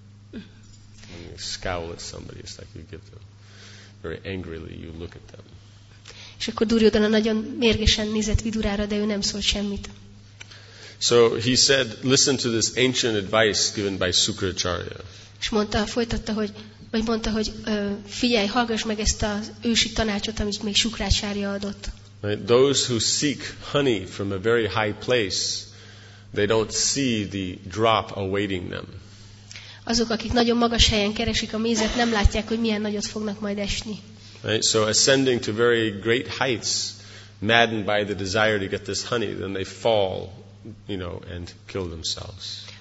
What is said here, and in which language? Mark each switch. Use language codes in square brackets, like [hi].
[en] When you scowl at somebody, it's like you give them very angrily, you look at them. [hu] És akkor Duryodhana nagyon mérgesen nézett Vidurára, de ő nem szólt semmit. [en] So he said, listen to this ancient advice given by Sukracharya. [hu] És mondta, folytatta, hogy vagy mondta, hogy figyelj, hallgass meg ezt az ősi tanácsot, amit még Sukracharya adott. [en] Those who seek honey from a very high place, they don't see the drop awaiting them. [hu] Azok, akik nagyon magas helyen keresik a mézet, nem látják, hogy milyen nagyot fognak majd esni. [en] Right, so ascending to very great heights, maddened by the desire to get this honey, then they fall, you know, and kill themselves.